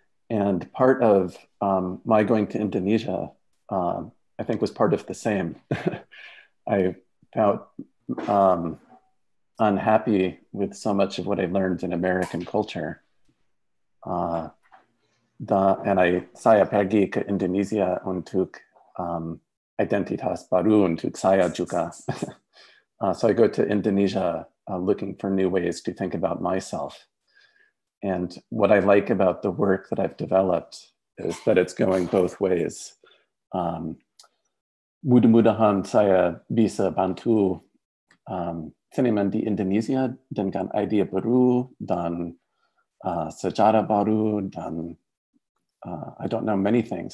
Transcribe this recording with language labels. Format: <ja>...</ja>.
<en>And part of my going to Indonesia, I think was part of the same. I felt unhappy with so much of what I learned in American culture.</en> <id>Dan saya pergi ke Indonesia untuk identitas baru untuk saya juga.</id> <en>So I go to Indonesia looking for new ways to think about myself. And what I like about the work that I've developed is that it's going both ways.</en> <id>Mudah-mudahan saya bisa bantu seniman di Indonesia dengan ide baru dan sejarah baru dan</id> <en>I don't know many things.</en>